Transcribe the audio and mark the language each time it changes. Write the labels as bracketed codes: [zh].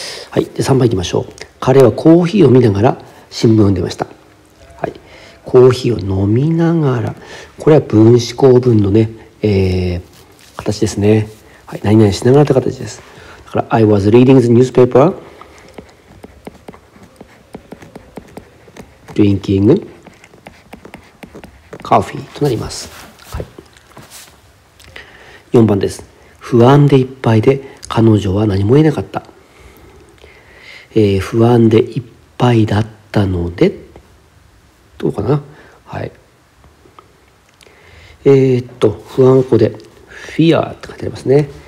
[ja] はい、で3番いきましょう。彼はコーヒーを見ながら新聞を読んでました。はい、コーヒーを飲みながら、これは分子構文のね、形ですね。はい、何々しながらって形です。だから [en] I was reading the newspaper, drinking coffee [ja] となります。 4番です。不安でいっぱいで彼女は何も言えなかった、不安でいっぱいだったので、どうかな、はい、不安語で fear って書いてありますね。